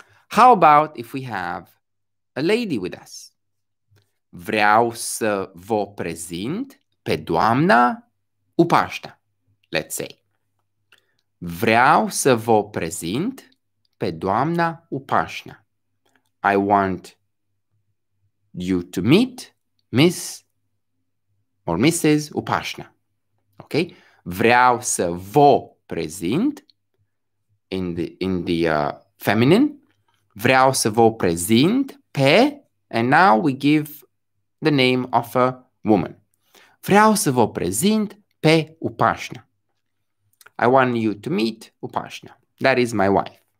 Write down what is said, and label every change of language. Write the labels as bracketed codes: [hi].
[en] How about if we have a lady with us? [ro] Vreau să vă prezint pe doamna Upașta, [en] let's say. [ro] Vreau să vă prezint pe doamna Upașta. [en] I want you to meet Miss or Mrs. Upașta. Okay? [ro] Vreau să vă prezint [en] in the feminine. [ro] Vreau să vă prezint pe, [en] and now we give the name of a woman. [ro] Vreau să vă prezint pe [en] Upașta. I want you to meet Upașta. That is my wife.